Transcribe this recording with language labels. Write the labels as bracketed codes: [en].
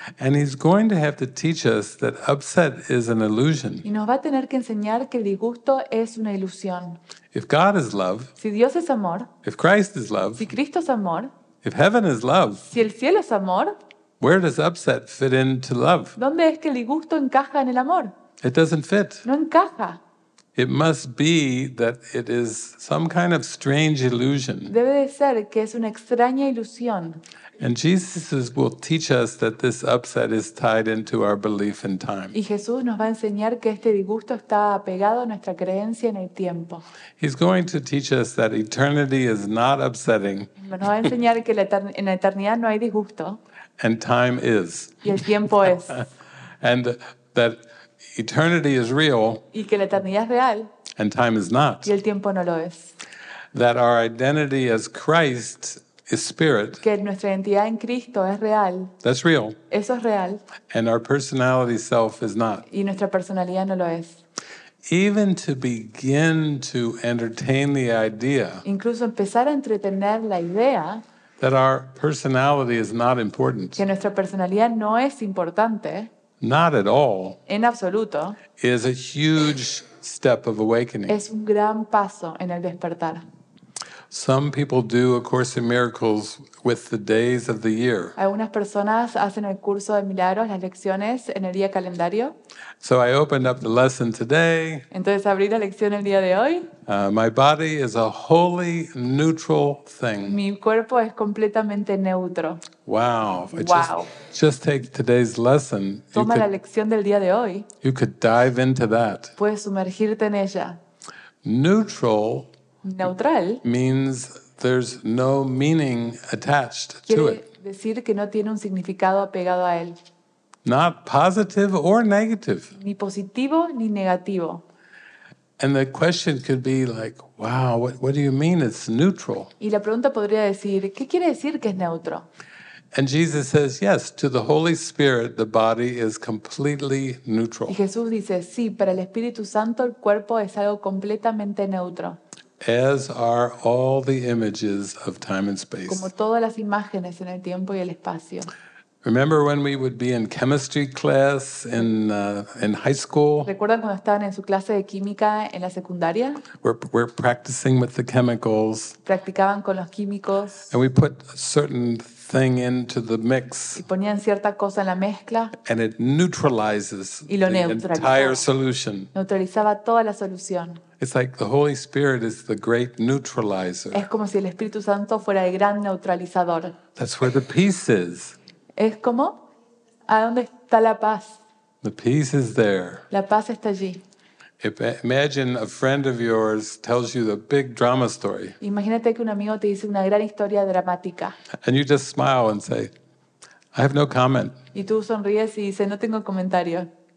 [en] And he's going to have to teach us that upset is an illusion. [es] Y nos va a tener que enseñar que el disgusto es una ilusión. [en] If God is love, [es] si Dios es amor, [en] if Christ is love, [es] si Cristo es amor, [en] if heaven is love, [es] si el cielo es amor, [en] where does upset fit into love? [es] ¿Dónde es que el disgusto encaja en el amor? [en] It doesn't fit. [es] No encaja. [en] It must be that it is some kind of strange illusion. [es] Debe de ser que es una extraña ilusión. [en] And Jesus will teach us that this upset is tied into our belief in time. [es] Y Jesús nos va a enseñar que este disgusto está apegado a nuestra creencia en el tiempo. [en] He's going to teach us that eternity is not upsetting. [es] Nos va a enseñar que en la eternidad no hay disgusto. [en] And time is. [es] Y el tiempo es. [en] And that eternity is real. [es] Y que la eternidad es real. [en] And time is not. [es] Y el tiempo no lo es. [en] That our identity as Christ is spirit. [es] Que nuestra identidad en Cristo es real. [en] That's real. [es] Eso es real. [en] And our personality self is not. [es] Y nuestra personalidad no lo es. [en] Even to begin to entertain the idea. [es] Incluso empezar a entretener la idea. [en] That our personality is not important. [es] Que nuestra personalidad no es importante. [en] Not at all. [es] En absoluto. [en] Is a huge step of awakening. [es] Es un gran paso en el despertar. [en] Some people do A Course in Miracles with the days of the year. [es] Algunas personas hacen el curso de milagros, las lecciones en el día calendario. [en] So I opened up the lesson today. [es] Entonces abrí la lección el día de hoy. [en] My body is a wholly neutral thing. [es] Mi cuerpo es completamente neutro. [en] Wow. Just take today's lesson. [es] Toma la lección del día de hoy. [en] You could dive into that. [es] Puedes sumergirte en ella. [en] Neutral. [es] Neutral [en] means there's no meaning attached to it. [es] Quiere decir que no tiene un significado apegado a él. [en] Not positive or negative. [es] Ni positivo ni negativo. [en] And the question could be like, wow, what do you mean it's neutral? [es] Y la pregunta podría decir, ¿qué quiere decir que es neutro? [en] And Jesus says, yes, to the Holy Spirit, the body is completely neutral. [es] Y Jesús dice, sí, para el Espíritu Santo el cuerpo es algo completamente neutro. [en] As are all the images of time and space. [es] Como todas las imágenes en el tiempo y el espacio. [en] Remember when we would be in chemistry class in high school? [es] ¿Recuerdan cuando estaban en su clase de química en la secundaria? [en] We're practicing with the chemicals. [es] Practicaban con los químicos. [en] And we put a certain thing into the mix. [es] Y ponían cierta cosa en la mezcla. [en] And it neutralizes [es] y lo [en] the entire solution. [es] Neutralizaba toda la solución. [en] It's like the Holy Spirit is the great neutralizer. [es] Es como si el Espíritu Santo fuera el gran neutralizador. [en] That's where the peace is. [es] Es como, ¿a dónde está la paz? [en] The peace is there. [es] La paz está allí. [en] Imagine a friend of yours tells you the big drama story. [es] Imagínate que un amigo te dice una gran historia dramática. [en] And you just smile and say, I have no comment. [es] Y tú sonríes y dices, no tengo comentario.